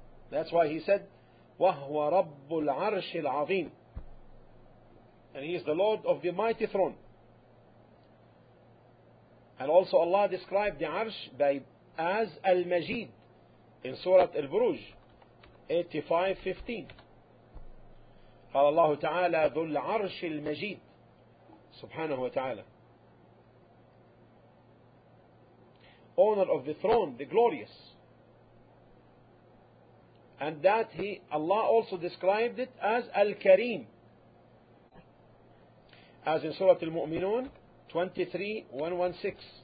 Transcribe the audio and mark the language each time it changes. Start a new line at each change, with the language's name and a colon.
English: That's why he said,
Arabic: وَهُوَ رَبُّ الْعَرْشِ الْعَظِيمِ.
English: And he is the Lord of the mighty throne. And also Allah described the Arsh by as Al-Majid in Surah Al-Buruj 85:15.
Arabic: قال الله تعالى ذو العرش المجيد سبحانه وتعالى.
English: Owner of the throne, the glorious. And that he, Allah also described it as Al-Kareem. As in Surah Al-Mu'minun 23:116.